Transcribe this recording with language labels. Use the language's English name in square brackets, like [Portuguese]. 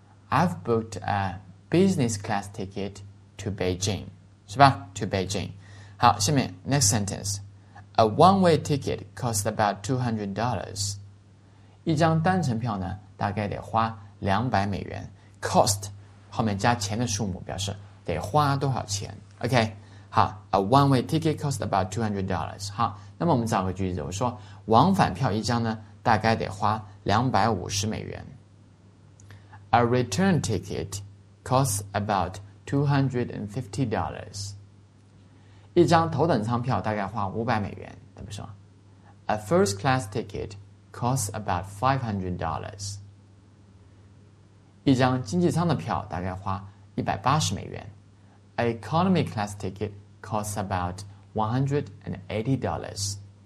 [English] I've booked a business class ticket to Beijing. [Chinese] 是吧 [English] To Beijing. [Chinese] 好下面 [English] next sentence. A one-way ticket costs about $200. [Chinese] 一张单程票呢，大概得花200美元。 Cost 后面加钱的数目表示得花多少钱。 [English] OK， 好 ，A one-way ticket costs about $200. [Chinese] 好，那么我们找个句子，我说往返票一张呢，大概得花250美元。 [English] A return ticket costs about $250. [Chinese] 一张头等舱票大概花500美元怎么说 [English] A first class ticket costs about $500 [Chinese] 一张经济舱的票大概花180美元 [English] A economy class ticket costs about $180